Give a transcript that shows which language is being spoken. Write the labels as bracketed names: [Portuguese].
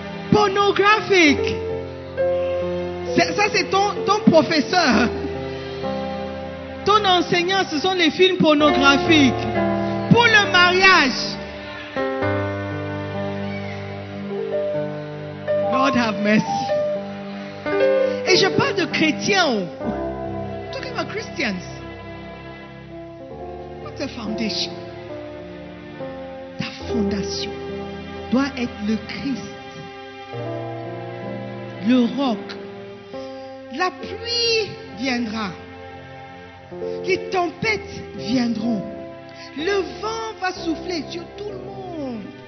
[French] Pornographique. Ça c'est ton professeur. Ton enseignant, ce sont les films pornographiques. Pour le mariage. [English] God have mercy. [French] Et je parle de chrétiens. [English] Christians, what's a foundation? [French] Ta fondation doit être le Christ, le roc. La pluie viendra, les tempêtes viendront, le vent va souffler sur tout le monde.